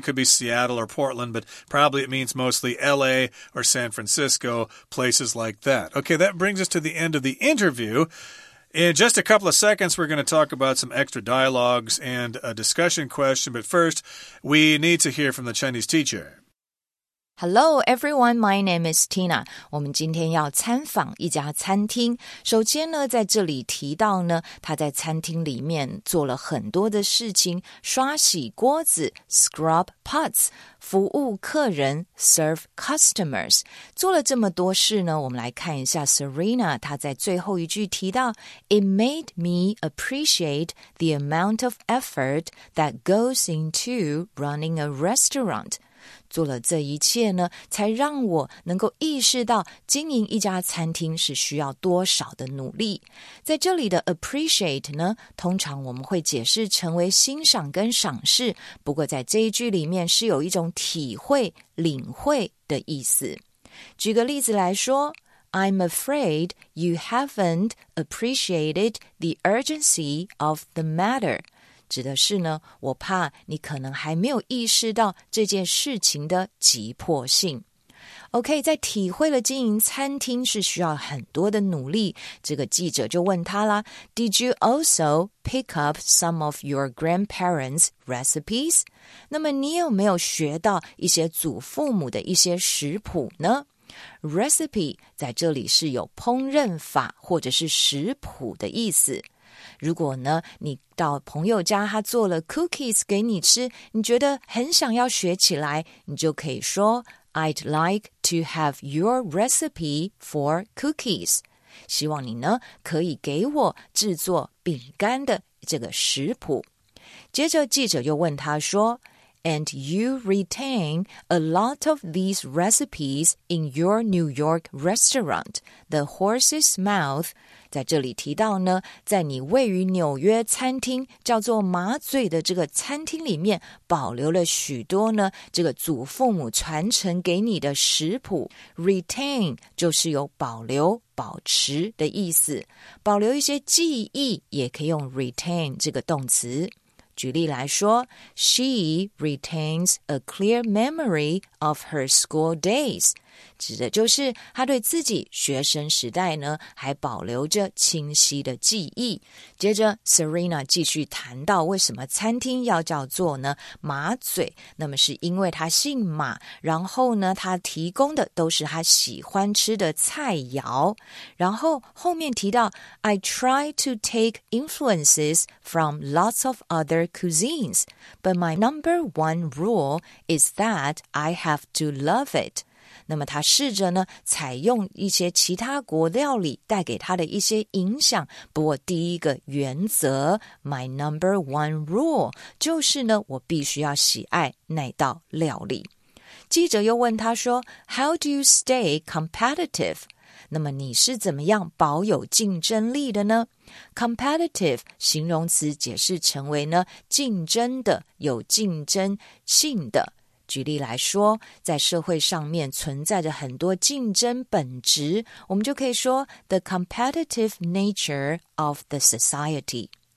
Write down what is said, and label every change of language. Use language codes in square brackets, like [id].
[en] Could be Seattle or Portland, but probably it means mostly L.A. or San Francisco, places like that. Okay, that brings us to the end of the interview. In just a couple of seconds, we're going to talk about some extra dialogues and a discussion question. But first, we need to hear from the Chinese teacher. Hello, everyone. My name is Tina. [zh] 我们今天要参访一家餐厅。首先呢，在这里提到呢，他在餐厅里面做了很多的事情，刷洗锅子 , [en] scrub pots, [zh] 服务客人 , [en] serve customers。 [zh] 做了这么多事呢，我们来看一下 Serena, 他在最后一句提到 , [en] it made me appreciate the amount of effort that goes into running a restaurant。 [zh] 做了这一切呢，才让我能够意识到经营一家餐厅是需要多少的努力。在这里的 appreciate 呢，通常我们会解释成为欣赏跟赏识，不过在这一句里面是有一种体会、领会的意思。举个例子来说， [en] I'm afraid you haven't appreciated the urgency of the matter. [zh] 指的是呢，我怕你可能还没有意识到这件事情的急迫性。 OK, 在体会了经营餐厅是需要很多的努力，这个记者就问他啦， [en] Did you also pick up some of your grandparents' recipes? [zh] 那么你有没有学到一些祖父母的一些食谱呢？ Recipe 在这里是有烹饪法或者是食谱的意思。如果呢，你到朋友家，他做了 cookies 给你吃，你觉得很想要学起来，你就可以说 [en] I'd like to have your recipe for cookies. [zh] 希望你呢，可以给我制作饼干的这个食谱。接着记者又问他说， [en] And you retain a lot of these recipes in your New York restaurant, The Horse's Mouth. [zh] 在这里提到呢，在你位于纽约餐厅叫做马嘴的这个餐厅里面，保留了许多呢，这个祖父母传承给你的食谱。 Retain 就是有保留、保持的意思。保留一些记忆也可以用 retain 这个动词。举例来说 , [en] she retains a clear memory of her school days, [zh] 指的就是她对自己学生时代呢还保留着清晰的记忆。接着 Serena 继续谈到为什么餐厅要叫做呢马嘴，那么是因为她姓马，然后呢她提供的都是她喜欢吃的菜肴。然后后面提到 [en] I try to take influences from lots of other cuisines, but my number one rule is that I have to love it. [zh] 那么他试着呢采用一些其他国料理带给他的一些影响，不过第一个原则 [en] My number one rule [zh] 就是呢我必须要喜爱那道料理。记者又问他说 [en] How do you stay competitive? [zh] 那么你是怎么样保有竞争力的呢？Competitive 形容词解释成为呢竞争的、有竞争性的。举例来说，在社会上面存在着很多竞争本质，我们就可以说 [en] the competitive nature of the society。